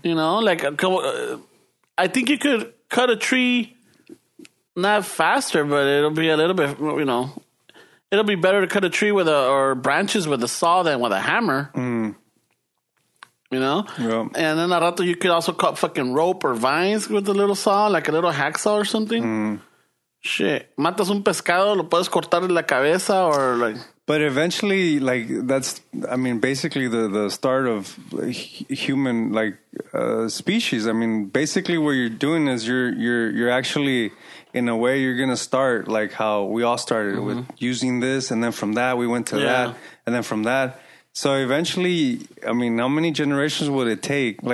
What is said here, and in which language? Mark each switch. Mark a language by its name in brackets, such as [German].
[English] You know, like, I think you could cut a tree, not faster, but it'll be a little bit, you know, it'll be better to cut a tree with branches with a saw than with a hammer. Mm. You know? Yeah. And then [Spanish] a rato, [English] you could also cut fucking rope or vines with a little saw, like a little hacksaw or something. Mm. Shit. [Spanish] Matas un pescado, lo puedes cortar en la cabeza [English] or like... But eventually, like, that's, I mean, basically the start of human, like, species. I mean, basically what you're doing is you're actually, in a way, you're going to start like how we all started, mm-hmm, with using this. And then from that, we went to that. And then from that. So eventually, I mean, how many generations would it take?